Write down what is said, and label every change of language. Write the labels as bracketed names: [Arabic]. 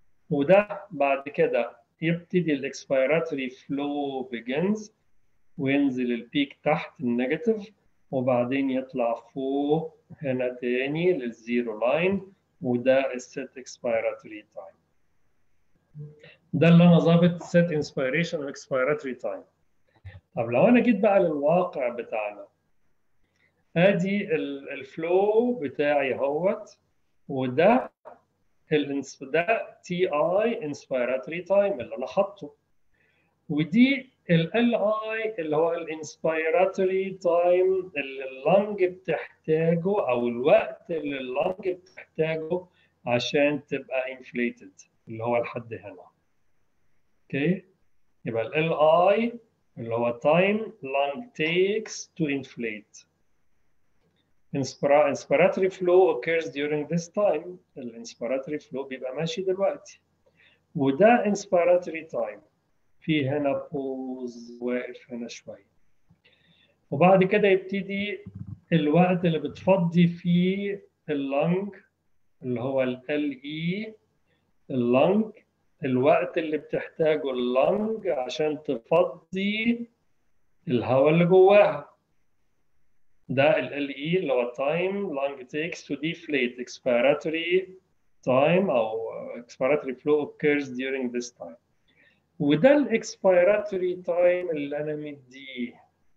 [Arabic] وده بعد كده يبتدي الاكسبيراتوري فلو بيجنز وينزل البيك تحت النيجاتيف، وبعدين يطلع فوق هنا تاني للزيرو لاين، وده السيت اكسبيراتوري تايم. ده اللي انا ظابط [English] set inspiration and expiratory time. [Arabic] طب لو انا جيت بقى للواقع بتاعنا، ادي الفلو بتاعي هوت، وده ده TI inspiratory time اللي انا حطه، ودي LI اللي هو الانسبيراتوري تايم اللي اللنج بتحتاجه، او الوقت اللي اللنج بتحتاجه عشان تبقى inflated اللي هو الحد هنا. [English] Okay. يبقى الـ LI [Arabic] اللي هو [English] time lung takes to inflate. Inspiratory flow occurs during this time. [Arabic] الـ inspiratory flow بيبقى ماشي دلوقتي. وده inspiratory time. في هنا pause، واقف هنا شوي. وبعد كده يبتدي الوقت اللي بتفضي فيه اللنج اللي هو الـLE اللنج، الوقت اللي بتحتاجه اللنج عشان تفضي الهواء اللي جواها، ده الـLE اللي هو [English] time lung takes to deflate expiratory time أو expiratory flow occurs during this time، [Arabic] وده الاكسبيراتوري تايم اللي أنا مديه.